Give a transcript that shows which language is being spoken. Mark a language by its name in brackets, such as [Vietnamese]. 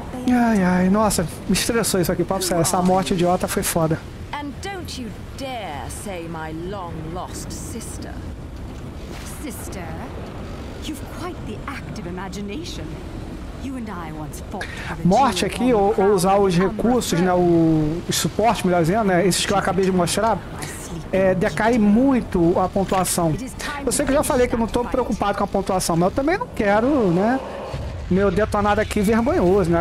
[Portuguese] Ai, ai, nossa, me estressou isso aqui, papo sério, essa morte idiota foi foda. [English] And don't you dare say my long lost sister. Sister, you've quite the active imagination. You and I once fought. [Portuguese] Morte aqui, ou usar os recursos, né, o suporte, melhor dizendo, né, esses que eu acabei de mostrar, decai muito a pontuação. Eu sei que eu já falei que eu não tô preocupado com a pontuação, mas eu também não quero, né, meu detonado aqui vergonhoso, né?